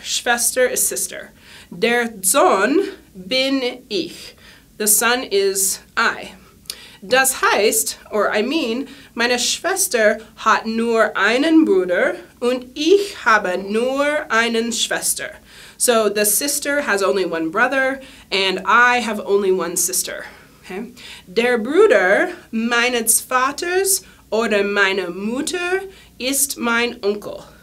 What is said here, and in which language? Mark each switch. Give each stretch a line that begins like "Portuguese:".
German: Schwester is sister. Der Sohn bin ich.
English: The son is I.
German: Das heißt, or I mean, meine Schwester hat nur einen Bruder und ich habe nur einen Schwester.
English: So the sister has only one brother and I have only one sister. Okay.
German: Der Bruder meines Vaters oder meine Mutter ist mein Onkel.